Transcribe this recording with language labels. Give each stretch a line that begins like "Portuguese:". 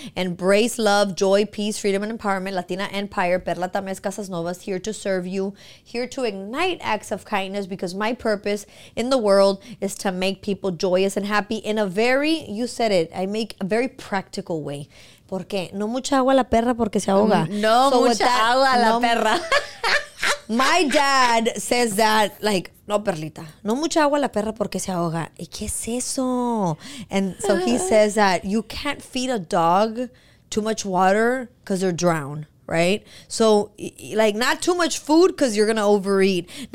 English: Embrace love, joy, peace, freedom, and empowerment. Latina Empire, Perla Tamés Casas Novas, here to serve you, here to ignite acts of kindness, because my purpose in the world is to make people joyous and happy in a very, you said it, I make a very practical way.
Spanish: Porque no mucha agua la perra porque se ahoga. No mucha agua la perra.
English: My dad says that, like, no, Perlita.
Spanish: No mucha agua la perra porque se ahoga. ¿Y qué es eso?
English: And so he says that you can't feed a dog too much water because they're drowned, right? So, like, not too much food because you're going to overeat.